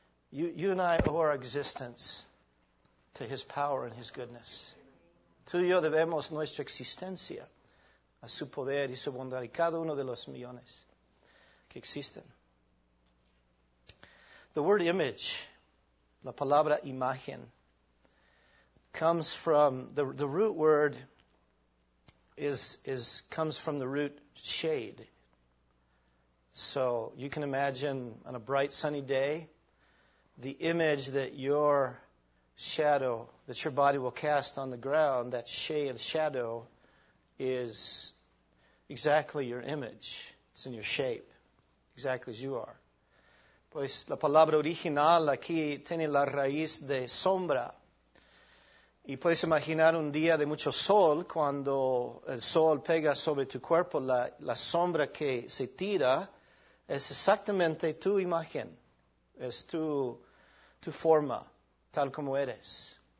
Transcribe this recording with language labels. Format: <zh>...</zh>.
<en>You and I owe our existence to His power and His goodness.</en> <es>Tú y yo debemos nuestra existencia a su poder y su bondad y cada uno de los millones que existen.</es> <en>The word image,</en> <es>la palabra imagen,</es> <en>comes from the root word is comes from the root shade. So you can imagine on a bright sunny day, the image that your shadow that your body will cast on the ground, that shade shadow, is exactly your image. It's in your shape, exactly as you are.</en> <es>Pues la palabra original aquí tiene la raíz de sombra. Y puedes imaginar un día de mucho sol, cuando el sol pega sobre tu cuerpo, la sombra que se tira es exactamente tu imagen, es tu forma, tal como eres.</es>